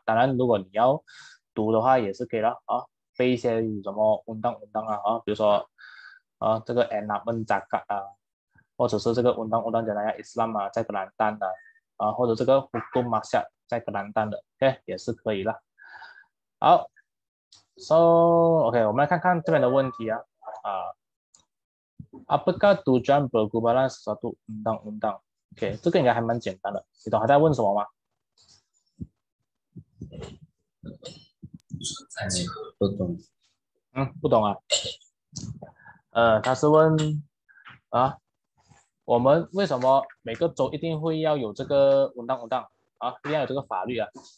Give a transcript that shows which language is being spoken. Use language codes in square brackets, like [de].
[zh] 当然，如果你要读的话也是可以了啊，背一些什么 undang-undang 啊，比如说啊这个 enamun zakat 啊。或者是这个文章文章讲的伊斯兰嘛，在格兰丹的啊，或者这个胡杜马夏在格兰丹的 ，OK 也是可以了。好 ，So OK， 我们来看看这边的问题啊啊 ， [ms] Apakah tujuan perubahan sesuatu undang-undang？ [zh] OK， 这个应该还蛮简单的，你懂他在问什么吗？不懂，不懂啊，他是问啊。我们为什么每个州一定会要有这个文档文档啊？一定要有这个法律啊！